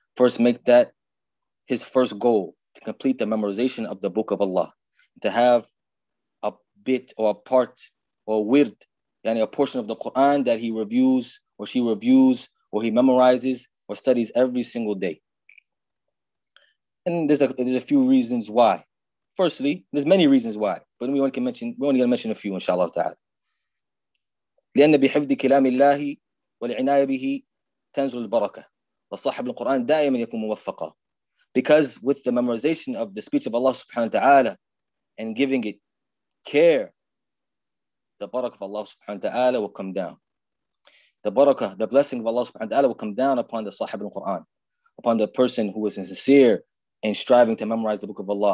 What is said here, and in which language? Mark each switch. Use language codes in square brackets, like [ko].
[en] First, make that his first goal, to complete the memorization of the Book of Allah, to have a bit or a part or a wird, yani a portion of the Quran that he reviews or she reviews or he memorizes or studies every single day. And there's a few reasons why. Firstly, there's many reasons why, but we only gonna mention a few, inshallah ta'ala. [ar] لأن بحفظ كلام الله والعناية به تنزل البركة وصاحب القرآن دائما يكون موفقا. [en] Because with the memorization of the speech of Allah subhanahu wa ta'ala and giving it care, the barakah of Allah subhanahu wa ta'ala will come down. The barakah, the blessing of Allah subhanahu wa ta'ala will come down upon the sahib al-Quran, upon the person who is sincere and striving to memorize the Book of Allah.